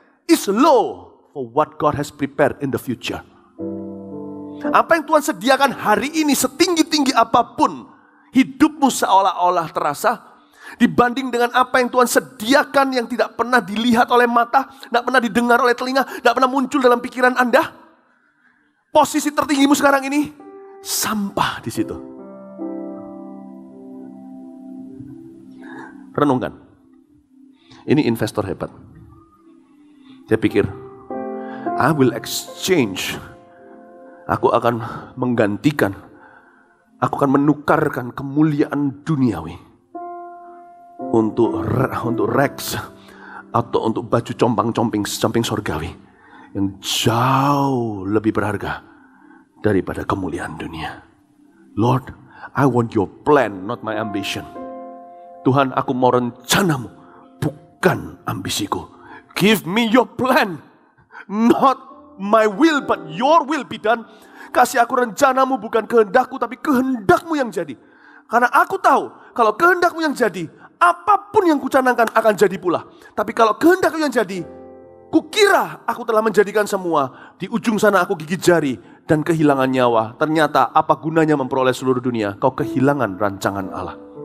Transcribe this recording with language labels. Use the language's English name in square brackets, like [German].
[English] is low for what God has prepared in the future. [Indonesian] Apa yang Tuhan sediakan hari ini, setinggi-tinggi apapun hidupmu seolah-olah terasa, dibanding dengan apa yang Tuhan sediakan yang tidak pernah dilihat oleh mata, tidak pernah didengar oleh telinga, tidak pernah muncul dalam pikiran Anda, posisi tertinggimu sekarang ini sampah di situ. Renungkan. Ini investor hebat. Dia pikir, [English] I will exchange. [Indonesian] Aku akan menggantikan. Aku akan menukarkan kemuliaan duniawi untuk Rex atau untuk baju compang-camping surgawi yang jauh lebih berharga daripada kemuliaan dunia. [English] Lord, I want your plan, not my ambition. [Indonesian] Tuhan, aku mau rencanamu, bukan ambisiku. [English] Give me your plan, not my will, but your will be done. [Indonesian] Kasih aku rencanamu, bukan kehendakku, tapi kehendakmu yang jadi. Karena aku tahu, kalau kehendakmu yang jadi, apapun yang kucanangkan akan jadi pula. Tapi kalau kehendakku yang jadi, kukira aku telah menjadikan semua, di ujung sana aku gigit jari dan kehilangan nyawa. Ternyata apa gunanya memperoleh seluruh dunia, kau kehilangan rancangan Allah.